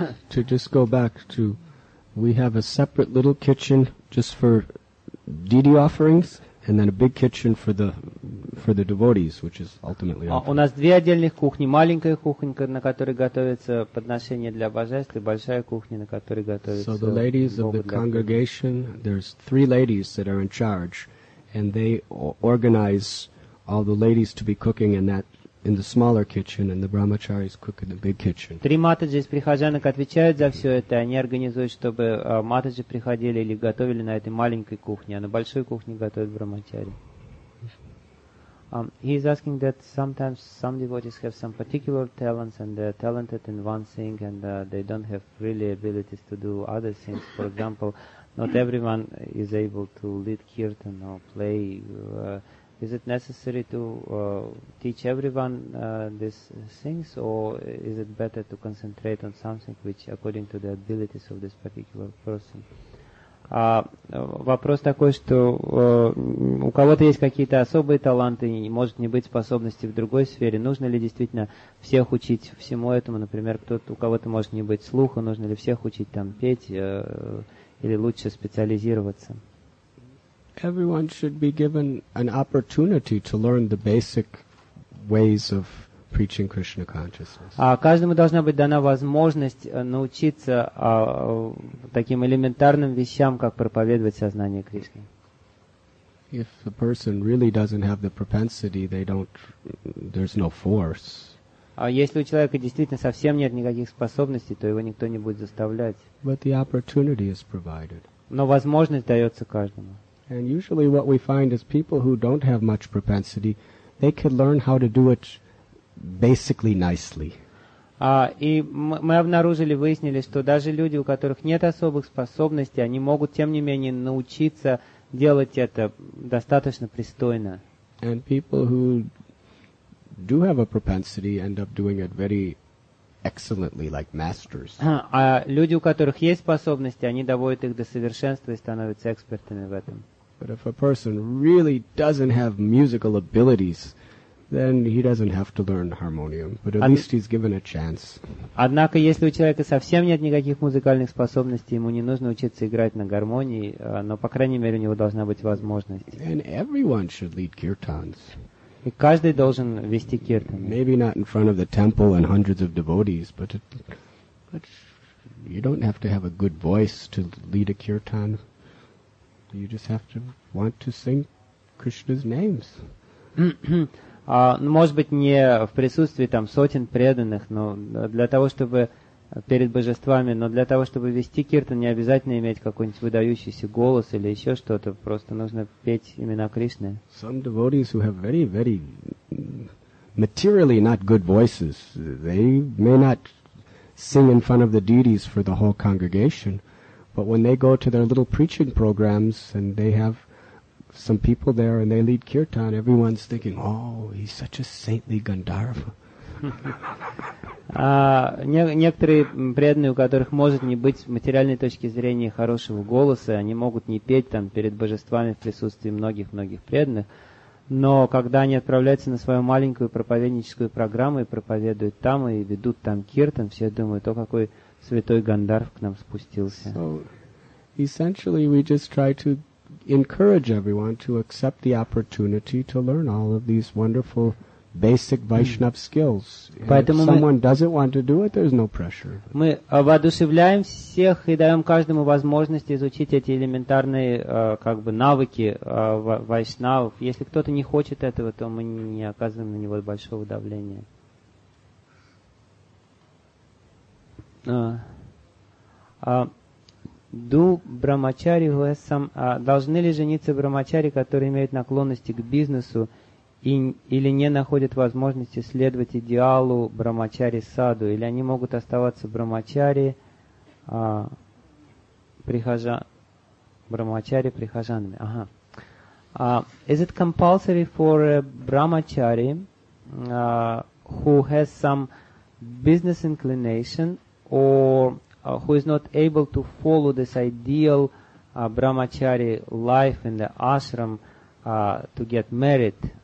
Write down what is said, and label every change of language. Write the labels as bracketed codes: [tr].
[en] To just go back to, we have a separate little kitchen just for deity offerings, and then a big kitchen for the devotees, which is ultimately. [ru] У нас две отдельных кухни: маленькая кухня, на которой готовится подношение для божеств, и большая кухня, на которой готовится. [en] So the ladies of the congregation, there's three ladies that are in charge, and they organize all the ladies to be cooking in that. In the smaller kitchen, and the brahmacharis cook in the big kitchen. [ru] Три матаджи из прихожанок отвечают за все это. Они организуют, чтобы матаджи приходили или готовили на этой маленькой кухне, а на большой кухне готовят брахмачари. [en] He is asking that sometimes some devotees have some particular talents and they are talented in one thing and they don't have really abilities to do other things. For example, not everyone is able to lead kirtan or play. Is it necessary to teach everyone these things, or is it better to concentrate on something which according to the abilities of this particular person? [ru] Вопрос такой, что у кого-то есть какие-то особые таланты, и может не быть способности в другой сфере. Нужно ли действительно всех учить всему этому? Например, кто-то, у кого-то может не быть слуха, нужно ли всех учить там петь или лучше специализироваться? [en] Everyone should be given an opportunity to learn the basic ways of preaching Krishna consciousness. [ru] Каждому должна быть дана возможность научиться таким элементарным вещам, как проповедовать сознание Кришны. [en] If a person really doesn't have the propensity, there's no force. [ru] Если у человека действительно совсем нет никаких способностей, то его никто не будет заставлять. [en] But the opportunity is provided. [ru] Но возможность дается каждому. [en] And usually what we find is people who don't have much propensity, they could learn how to do it basically nicely. [ru] И мы обнаружили, выяснили, что даже люди, у которых нет особых способностей, они могут, тем не менее, научиться делать это достаточно пристойно. [en] And people who do have a propensity end up doing it very excellently, like masters. [ru] Люди, у которых есть способности, они доводят их до совершенства и становятся экспертами в этом. [en] But if a person really doesn't have musical abilities, then he doesn't have to learn harmonium. But at least he's given a chance. [ru] Однако, если у человека совсем нет никаких музыкальных способностей, ему не нужно учиться играть на гармонии, но по крайней мере у него должна быть возможность. [en] And everyone should lead kirtans. [ru] И каждый должен вести киртан. [en] Maybe not in front of the temple and hundreds of devotees, but you don't have to have a good voice to lead a kirtan. You just have to want to sing Krishna's names. [ru] Может быть, не в присутствии там сотен преданных, но для того, чтобы перед божествами, но для того, чтобы вести киртан, не обязательно иметь какой-нибудь выдающийся голос или еще что-то, просто нужно петь имена Кришны. [en] Some devotees who have very, very materially not good voices, they may not sing in front of the deities for the whole congregation, but when they go to their little preaching programs and they have some people there and they lead kirtan, everyone's thinking, oh, he's such a saintly Gandharva. [ru] Некоторые преданные, у которых может не быть с материальной точки зрения хорошего голоса, они могут не петь там перед божествами в присутствии многих-многих преданных, но когда они отправляются на свою маленькую проповедническую программу и проповедуют там, и ведут там киртан, все думают, о, какой святой Гандарв к нам спустился. [en] So, essentially, we just try to encourage everyone to accept the opportunity to learn all of these wonderful basic Vaishnav skills. [ru] Поэтому [en] if someone doesn't want to do it, there's no pressure. [ru] Мы воодушевляем всех и даем каждому возможность изучить эти элементарные как бы навыки Vaishnav. Если кто-то не хочет этого, то мы не оказываем на него большого давления. Ду брамачари вэсам, должны ли жениться брамачари, которые имеют наклонности к бизнесу или не находят возможности следовать идеалу брамачари-саду, или они могут оставаться брамачари-прихожанами. Ага. [en] Is it compulsory for a brahmachari who has some business inclination or who is not able to follow this ideal brahmachari life in the ashram to get married,